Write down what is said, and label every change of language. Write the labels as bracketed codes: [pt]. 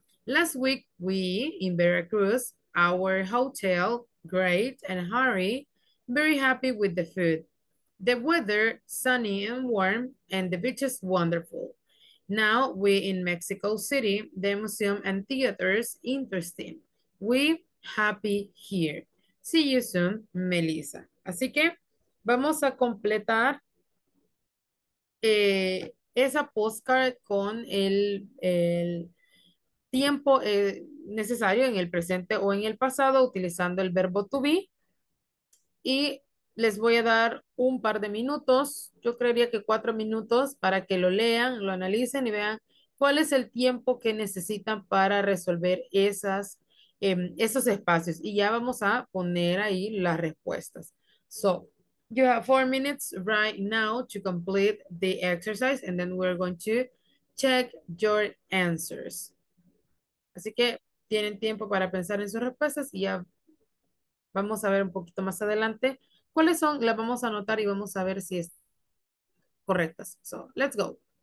[en] Last week, we in Veracruz, our hotel, great, and Harry, very happy with the food. The weather, sunny and warm, and the beaches, wonderful. Now, we in Mexico City, the museum and theaters, interesting. We happy here. See you soon, Melissa. [es] Así que vamos a completar esa postcard con el tiempo necesario en el presente o en el pasado utilizando el verbo to be. Y les voy a dar un par de minutos, yo creería que 4 minutos para que lo lean, lo analicen y vean cuál es el tiempo que necesitan para resolver esas, esos espacios. Y ya vamos a poner ahí las respuestas. [en] So, you have 4 minutes right now to complete the exercise and then we're going to check your answers. [es] Así que tienen tiempo para pensar en sus respuestas y ya vamos a ver un poquito más adelante cuáles son, las vamos a anotar y vamos a ver si están correctas. [en] So, let's go.